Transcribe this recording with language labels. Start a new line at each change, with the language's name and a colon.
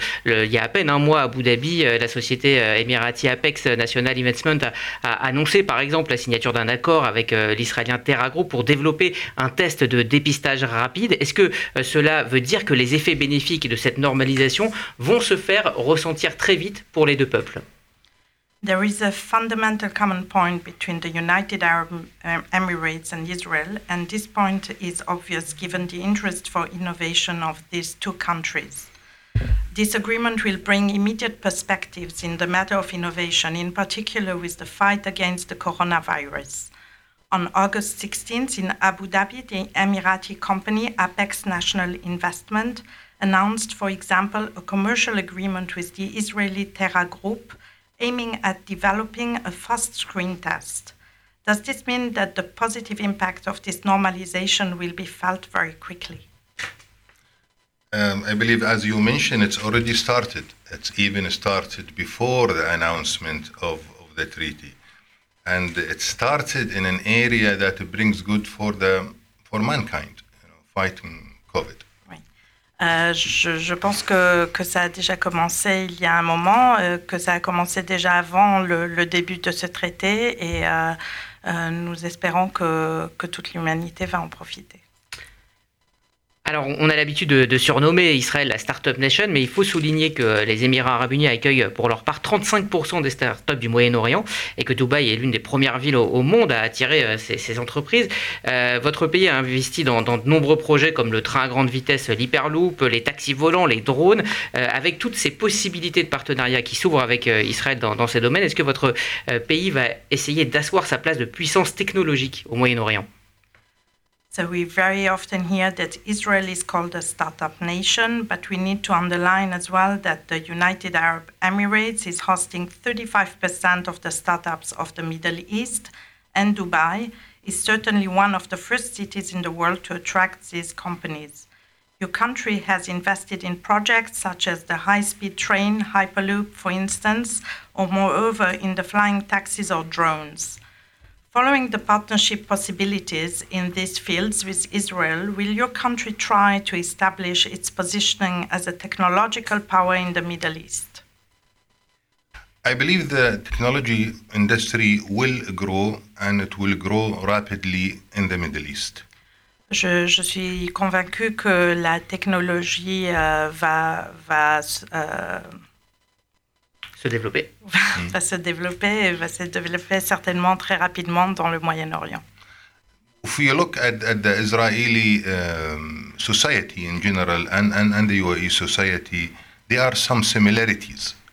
French: Il y a à peine un mois, à Abu Dhabi, la société Emirati Apex National Investment a annoncé, par exemple, la signature d'un accord avec l'Israélien Terragroup pour développer un test de dépistage rapide. Est-ce que cela veut dire que les effets bénéfiques de cette normalisation vont se faire ressentir très vite pour les deux peuples?
English: There is a fundamental common point between the United Arab Emirates and Israel, and this point is obvious given the interest for innovation of these two countries. This agreement will bring immediate perspectives in the matter of innovation, in particular with the fight against the coronavirus. On August 16th in Abu Dhabi, the Emirati company Apex National Investment announced, for example, a commercial agreement with the Israeli Terra Group aiming at developing a fast screen test. Does this mean that the positive impact of this normalization will be felt very quickly? I believe, as you mentioned, it's already started. It's even started before the announcement of the treaty. And it started in an area that brings good for mankind, you know, fighting COVID.
French: Oui. Je pense que ça a déjà commencé il y a un moment, que ça a commencé déjà avant le début de ce traité, et nous espérons que toute l'humanité va en profiter. Alors, on a l'habitude de surnommer Israël la Startup Nation, mais il faut souligner que les Émirats Arabes Unis accueillent pour leur part 35% des startups du Moyen-Orient et que Dubaï est l'une des premières villes au monde à attirer ces entreprises. Votre pays a investi dans de nombreux projets comme le train à grande vitesse, l'Hyperloop, les taxis volants, les drones. Avec toutes ces possibilités de partenariat qui s'ouvrent avec Israël dans ces domaines, est-ce que votre pays va essayer d'asseoir sa place de puissance technologique au Moyen-Orient ?
English: So we very often hear that Israel is called a startup nation, but we need to underline as well that the United Arab Emirates is hosting 35% of the startups of the Middle East, and Dubai is certainly one of the first cities in the world to attract these companies. Your country has invested in projects such as the high-speed train, Hyperloop, for instance, or moreover in the flying taxis or drones. Following the partnership possibilities in these fields with Israel, will your country try to establish its positioning as a technological power in the Middle East? I believe the technology industry will grow, and it will grow rapidly in the Middle East.
French: Je suis convaincue que la technologie va se développer certainement très rapidement dans le Moyen-Orient.
English: If you look at the Israeli society in general and the UAE society, there are some similarities.